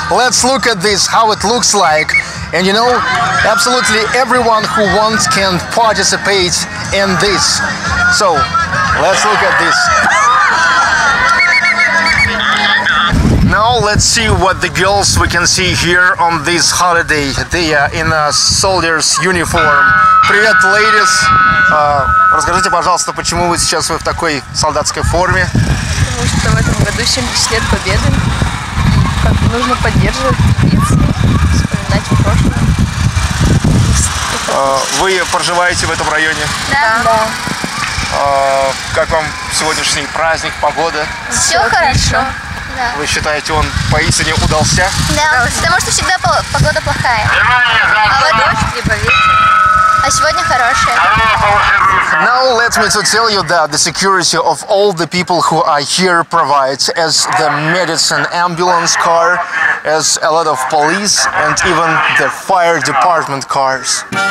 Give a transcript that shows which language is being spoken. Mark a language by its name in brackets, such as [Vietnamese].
[English] Let's look at this, how it looks like. And you know, absolutely everyone who wants can participate in this. So, let's look at this. Now let's see what the girls we can see here on this holiday. They are in a soldier's uniform. [Russian] Привет, [English] ladies! [Russian] Расскажите, пожалуйста, почему вы сейчас в такой солдатской форме? Потому что в этом году 70 лет победы. Как нужно поддерживать традиции, вспоминать прошлое. Вы проживаете в этом районе? Да. Да. Как вам сегодняшний праздник, погода? Все хорошо. Да. Вы считаете, он поистине удался? Да, потому что всегда погода плохая. А вот дождь либо ветер. [English] Now let me to tell you that the security of all the people who are here provides as the medicine, ambulance car, as a lot of police and even the fire department cars.